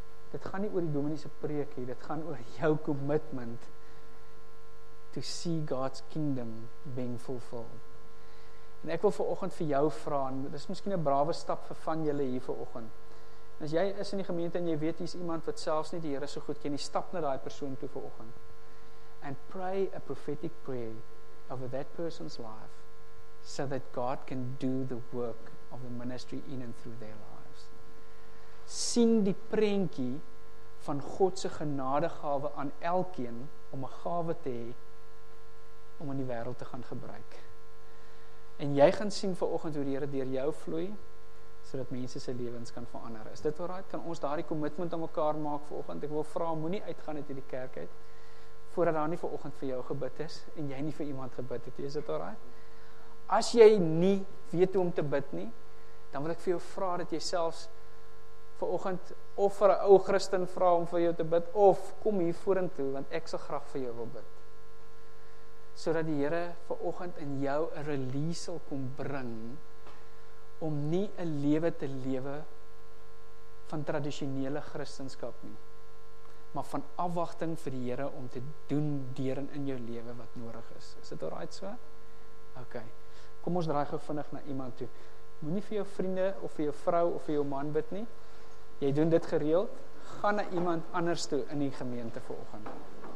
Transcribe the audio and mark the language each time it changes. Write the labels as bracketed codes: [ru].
[af] Dit gaan nie oor die dominee se preek hier, dit gaan oor jou [en] commitment to see God's kingdom being fulfilled. [af] En ek wil vir oggend vir jou vra, en dit is miskien 'n brawe stap vir van julle hier vir oggend. As jy is in die gemeente en jy weet hier is iemand wat selfs nie die Here so goed ken, jy stap na daai persoon toe vir oggend. [en] And pray a prophetic prayer over that person's life so that God can do the work of the ministry in and through their lives. [af] Sien die prentjie van God se genadegawe aan elkeen om 'n gawe te hê om in die wêreld te gaan gebruik. En jy gaan sien vanoggend hoe die Here deur jou vloei sodat mense se lewens kan verander. Is dit alright? Kan ons daardie commitment aan mekaar maak vanoggend? Ek wil vra, moenie uitgaan uit hierdie kerk uit voordat daar nie vir oggend vir jou gebid is, en jy nie vir iemand gebid het, is dit alright? As jy nie weet hoe om te bid nie, dan wil ek vir jou vra dat jy selfs vir oggend, of vir 'n ou Christen vra om vir jou te bid, of kom hier vorentoe, want ek sal graag vir jou wil bid. Sodat die Here vir oggend in jou 'n release sal kom bring, om nie 'n lewe te lewe van tradisionele Christenskap nie, maar van afwagting vir die Here om te doen deur en in jou lewe wat nodig is. Is dit alright so? OK. Kom ons draai gou vinnig na iemand toe. Moenie vir jou vriende of vir jou vrou of vir jou man bid nie. Jy doen dit gereeld. Gaan na iemand anders toe in die gemeente vanoggend.